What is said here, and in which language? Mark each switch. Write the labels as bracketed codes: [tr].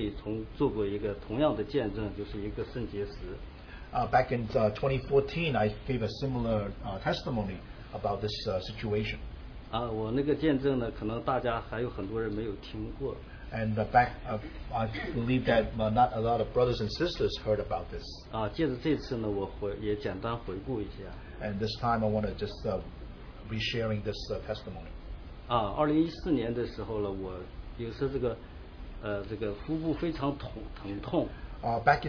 [zh] 是在2014年的时候呢，我也曾经做过一次见证，就是我也曾经有一个肾结石，也是在我们的2014年的时候，我也自己从做过一个同样的见证，就是一个肾结石。 [en] Back in 2014, I gave a similar testimony about this situation. [zh] 我那个见证呢，可能大家还有很多人没有听过。And [en] back, I believe that not a lot of brothers and sisters heard about this. [zh] 借着这次呢，我也简单回顾一下。And [en] this time, I want to just be sharing this testimony. [zh] 2014年的时候呢，我有时这个腹部非常疼痛。Back